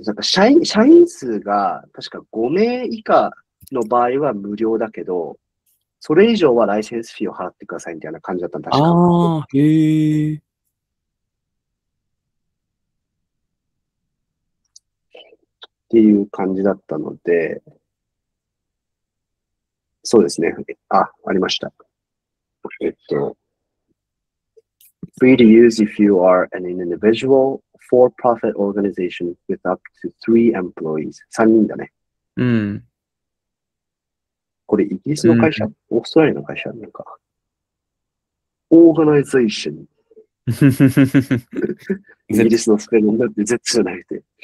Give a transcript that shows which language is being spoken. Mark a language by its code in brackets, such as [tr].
[ja] なんか、社員数が、確か5名以下の場合は無料だけど、それ以上はライセンスフィーを払ってくださいみたいな感じだったんだ。ああ、へえ。っていう感じだったので、そうですね。あ、ありました。 [en] Free to use if you are an individual for-profit organization with up to 3 employees. [ja] 3人だね。うん。これ、イギリスの会社、うん、オーストラリアの会社なのか。オーガナイゼーション。イギリスのスペルになって、絶対じゃなくて。